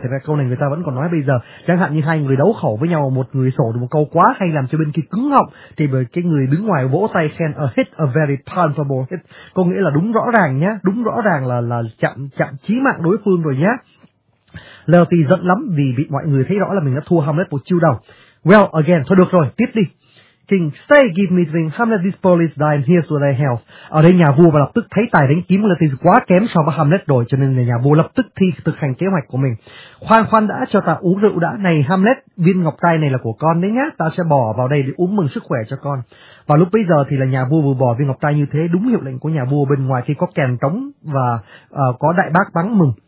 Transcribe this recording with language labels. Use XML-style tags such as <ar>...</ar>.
<vi>Thì ra câu này người ta vẫn còn nói bây giờ. Chẳng hạn như hai người đấu khẩu với nhau, một người sổ được một câu quá hay làm cho bên kia cứng họng, thì bởi cái người đứng ngoài vỗ tay khen</vi> <en>a hit, a very palpable hit,</en> <vi>có nghĩa là đúng rõ ràng nhá, đúng rõ ràng là chạm chí mạng đối phương rồi nhá. Leopold giận lắm vì bị mọi người thấy rõ là mình đã thua Hamlet một chiêu đầu.</vi> <en>Well again,</en> <vi>thôi được rồi, tiếp đi.</vi> <en>King, stay, give me drink. Hamlet, this police dying, here's what I have.</en> <vi>Ở đây nhà vua và lập tức thấy tài đánh kiếm của Leopold quá kém so với Hamlet rồi, cho nên là nhà vua lập tức thực hành kế hoạch của mình. Khoan đã, cho ta uống rượu đã. Này Hamlet, viên ngọc tai này là của con đấy nhá, ta sẽ bỏ vào đây để uống mừng sức khỏe cho con. Và lúc bây giờ thì là nhà vua vừa bỏ viên ngọc tai như thế, đúng hiệu lệnh của nhà vua, bên ngoài khi có kèn trống và có đại bác bắn mừng.</vi>